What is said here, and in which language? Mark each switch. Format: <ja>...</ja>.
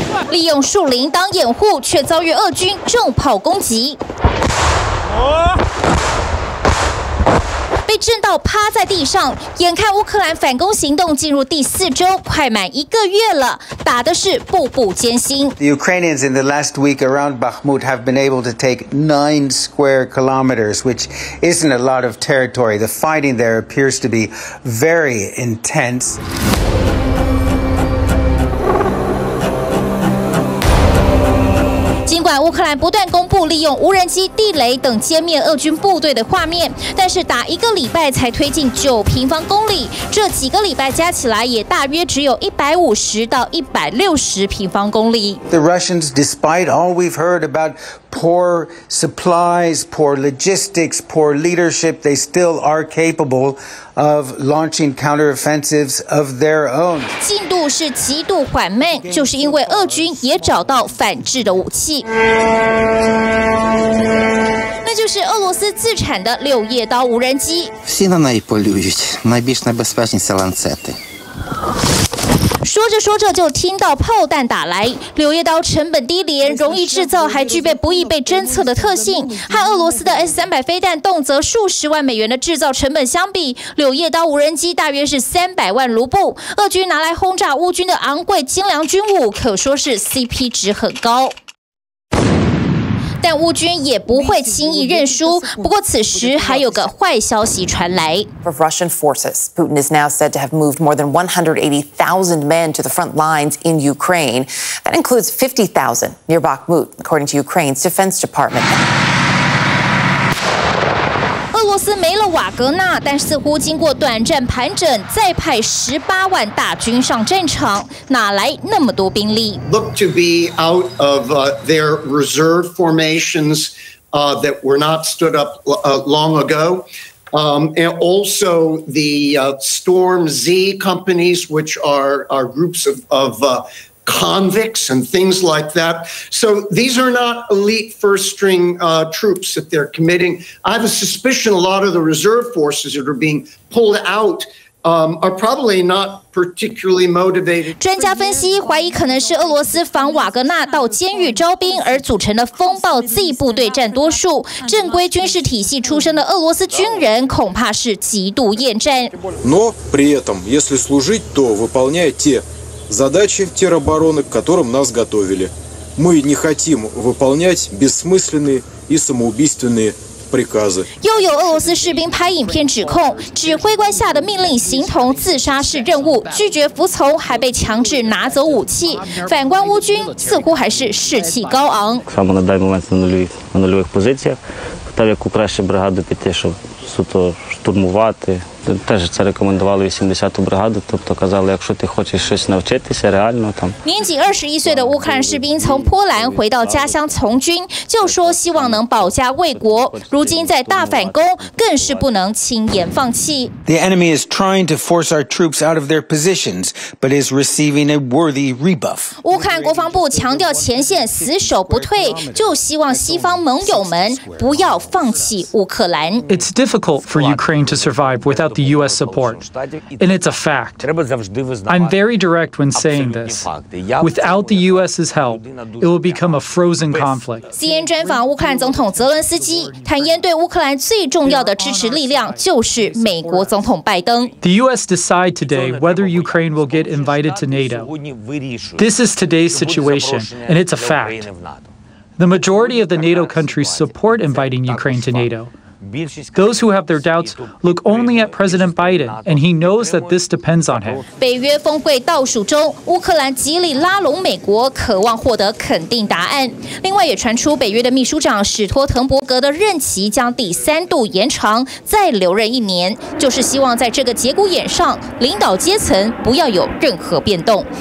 <zh>利用树林当掩护，却遭遇俄军重炮攻击。被震到趴在地上，眼看乌克兰反攻行动进入第四周，快满一个月了，打的是步步艰辛。</zh> <en>The Ukrainians in the last week around Bakhmut have been able to take 9 square kilometers, which isn't a lot of territory. The fighting there appears to be very intense.</en> <zh>尽管乌克兰不断公布利用无人机、地雷等歼灭俄军部队的画面，但是打一个礼拜才推进9平方公里，这几个礼拜加起来也大约只有150到160平方公里。</zh> <en>The Russians, despite all we've heard about poor supplies, poor logistics, poor leadership, they still are capable of launching counteroffensives of their own.</en> <zh>进度是极度缓慢，就是因为俄军也找到反制的武器。那就是俄罗斯自产的柳叶刀无人机。</zh> <uk>Всі на неї полюють. Найбільш небезпечні це ланцети.</uk> <zh>说着说着就听到炮弹打来。柳叶刀成本低廉，容易制造，还具备不易被侦测的特性。和俄罗斯的 S-300 飞弹动辄数十万美元的制造成本相比，柳叶刀无人机大约是300万卢布。俄军拿来轰炸乌军的昂贵精良军武，可说是 CP 值很高。但乌军也不会轻易认输。不过此时还有个坏消息传来。</zh> <en>Of Russian forces, Putin is now said to have moved more than 180,000 men to the front lines in Ukraine. That includes 50,000 near Bakhmut, according to Ukraine's Defense Department.</en> <zh>俄罗斯没了瓦格纳，但似乎经过短暂盘整，再派180,000大军上战场，哪来那么多兵力？</zh> <en>Look to be out of their reserve formations that were not stood up long ago. And also the Storm Z companies, which are groups of convicts and things like that. So these are not elite first string troops that they're committing. I have a suspicion a lot of the reserve forces that are being pulled out are probably not particularly motivated.</en> <zh>专家分析，怀疑可能是俄罗斯仿瓦格纳到监狱招兵而组成的风暴 Z 部队占多数。正规军事体系出身的俄罗斯军人恐怕是极度厌战。</zh> <ru>Но при этом, если служить, то выполняя те. Задачи теробороны, к которым нас готовили. Мы не хотим выполнять бессмысленные и самоубийственные приказы.</ru> <zh>又有俄罗斯士兵拍影片指控，指挥官下的命令形同自杀式任务，拒绝服从，还被强制拿走武器。反观乌军，似乎还是士气高昂。</zh> <uk>Саме на даний момент на нульових позиціях, так як у кращі бригади піти, щоб суто штурмувати. Теж це рекомендували 80-ту бригаду, тобто казали, якщо ти хочеш щось навчитися реально там.</uk> <zh>年仅21岁的乌克兰士兵从波兰回到家乡从军，就说希望能保家卫国。如今在大反攻，更是不能轻言放弃。</zh> <en>The enemy is trying to force our troops out of their positions, but is receiving a worthy rebuff.</en> <zh>乌克兰国防部强调前线死守不退，就希望西方盟友们不要放弃乌克兰。</zh> <en>It's difficult for Ukraine to survive without the U.S. support. And it's a fact. I'm very direct when saying this. Without the U.S.'s help, it will become a frozen conflict.</en> <zh>CNN 专访乌克兰总统泽伦斯基，坦言对乌克兰最重要的支持力量就是美国总统拜登。</zh> <en>The U.S. decide today whether Ukraine will get invited to NATO. This is today's situation, and it's a fact. The majority of the NATO countries support inviting Ukraine to NATO. Those who have their doubts look only at President Biden, and he knows that this depends on him.</en> <zh>北约峰会倒数中，乌克兰极力拉拢美国，渴望获得肯定答案。另外，也传出北约的秘书长史托滕伯格的任期将第三度延长，再留任一年，就是希望在这个节骨眼上，领导阶层不要有任何变动。</zh>